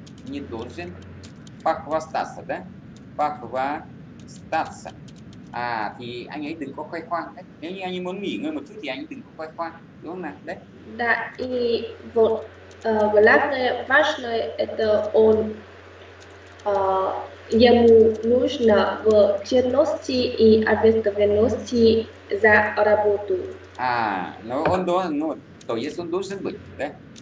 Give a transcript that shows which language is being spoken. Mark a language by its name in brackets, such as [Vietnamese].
[Russian] не должен похвастаться, да? Похвастаться. [Vietnamese] А, thì anh ấy đừng có khoe khoang. Nếu như anh ấy muốn nghỉ ngơi một chút thì anh ấy đừng có khoe khoang. Đúng không nào? Đấy. [Russian] Да, и вот главное, важное, это он ему нужно в честности и ответственности за работу. А, ну он должен, ну, то есть он должен быть, да?